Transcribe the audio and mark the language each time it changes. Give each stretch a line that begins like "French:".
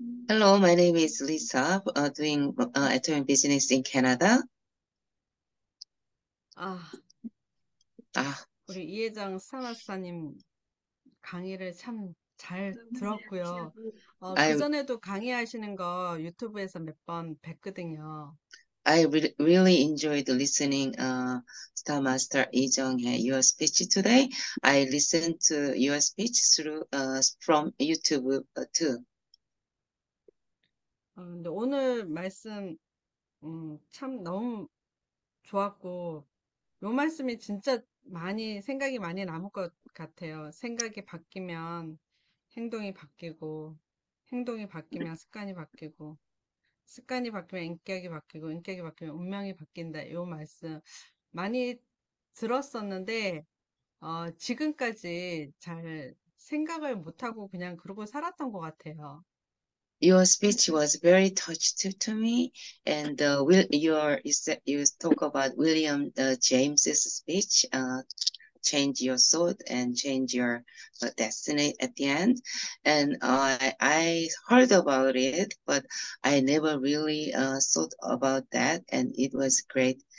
English: Hello, my name is Lisa, doing atomic business in Canada.
Korean: 우리 이회장 사마스터님 강의를 참 잘 들었고요. 그
English: I'm
Korean: 전에도 강의하시는 거 유튜브에서 몇번 뵀거든요.
English: I really enjoyed listening, Star Master Lee Jong-hae, your speech today. I listened to your speech through, from YouTube, too.
Korean: 근데 오늘 말씀 참 너무 좋았고 요 말씀이 진짜 많이 생각이 많이 남을 것 같아요. 생각이 바뀌면 행동이 바뀌고 행동이 바뀌면 습관이 바뀌고 습관이 바뀌면 인격이 바뀌고 인격이 바뀌면 운명이 바뀐다. 요 말씀 많이 들었었는데 지금까지 잘 생각을 못 하고 그냥 그러고 살았던 것 같아요.
English: Your speech was very touched to me, and you talk about William James's speech change your thought and change your destiny at the end. And I heard about it, but I never really thought about that, and it was great.